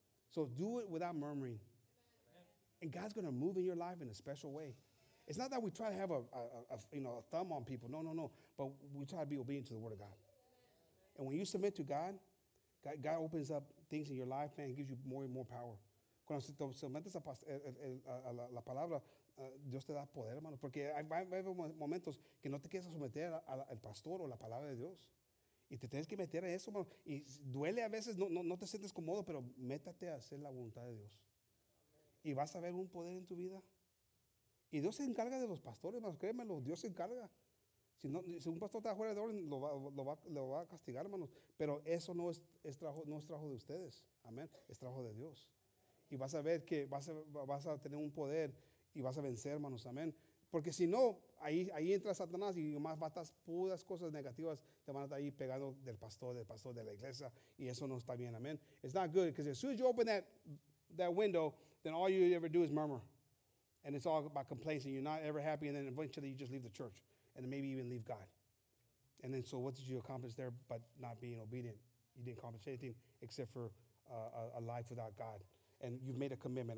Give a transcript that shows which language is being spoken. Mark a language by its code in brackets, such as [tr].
[en] So do it without murmuring. And God's going to move in your life in a special way. It's not that we try to have a thumb on people. No. But we try to be obedient to the word of God. And when you submit to God, God opens up things in your life, man, gives you more and more power. [es] Cuando se sometes a la palabra, Dios te da poder, hermano. Porque hay momentos que no te quieres someter al pastor o la palabra de Dios. Y te tienes que meter en eso, hermano. Y duele a veces, no te sientes cómodo, pero métate a hacer la voluntad de Dios. Y vas a ver un poder en tu vida. Y Dios se encarga de los pastores, hermano. Créemelo, Dios se encarga. Si un pastor está fuera de orden, lo va a castigar, hermanos. Pero eso no es trabajo de ustedes. Amén. Es trabajo de Dios. Y vas a ver que vas a tener un poder y vas a vencer, hermanos. Amén. Porque si no, ahí entra Satanás y más batas puras cosas negativas te van a estar ahí pegando del pastor, de la iglesia. Y eso no está bien. Amén. [en] It's not good. Because as soon as you open that window, then all you ever do is murmur. And it's all about complaints and you're not ever happy. And then eventually you just leave the church. And maybe even leave God. And then, so what did you accomplish there but not being obedient? You didn't accomplish anything except for a life without God. And you've made a commitment.